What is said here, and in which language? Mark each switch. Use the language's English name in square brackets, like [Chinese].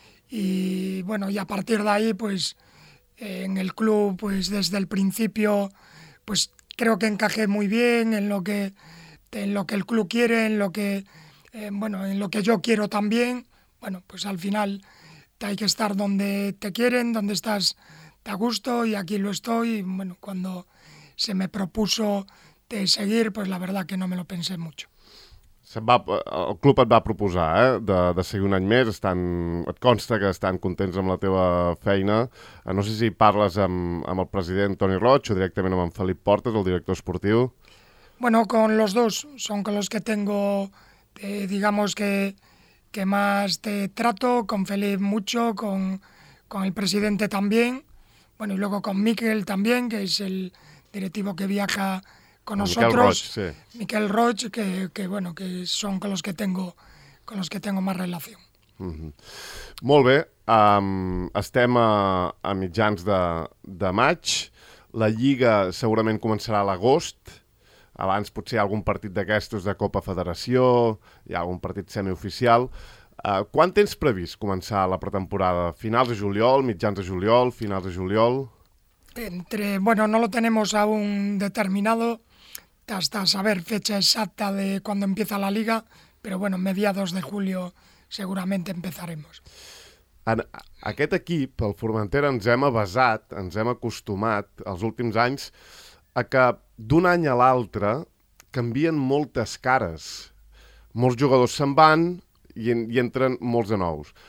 [Spanish] Y bueno, y a partir de ahí, pues en el club, pues desde el principio, pues creo que encajé muy bien en lo que el club quiere, en lo que yo quiero también. Bueno, pues al final hay que estar donde te quieren, donde estás a gusto, y aquí lo estoy. Y bueno, cuando se me propuso de seguir, pues la verdad que no me lo pensé mucho. [Catalan] El club et va proposar de seguir un any més, et consta que estan contents amb la teva feina. No sé si parles amb el president Toni Roig o directament amb en Felip Portes, el director esportiu. [Spanish] Bueno, con los dos, son con los que tengo, digamos que más te trato, con Felipe mucho, con el presidente también, bueno, y luego con Miquel también, que es el directivo que viaja con nosotros. Miquel Roig, sí. Miquel Roig, que son con los que tengo más relación. [Catalan] Molt bé, estem a mitjans de maig, la Lliga segurament començarà a l'agost. Abans potser hi ha algun partit d'aquestos de Copa Federació, hi ha algun partit semioficial. Quan tens previst començar la pretemporada? Finals de juliol, mitjans de juliol, finals de juliol? [Spanish] No lo tenemos aún determinado hasta saber fecha exacta de cuando empieza la liga, pero bueno, mediados de julio seguramente empezaremos. [Catalan] Aquest equip, el Formentera, ens hem acostumat els últims anys a que d'un any a l'altre canvien moltes cares. Molts jugadors se'n van i entren molts de nous.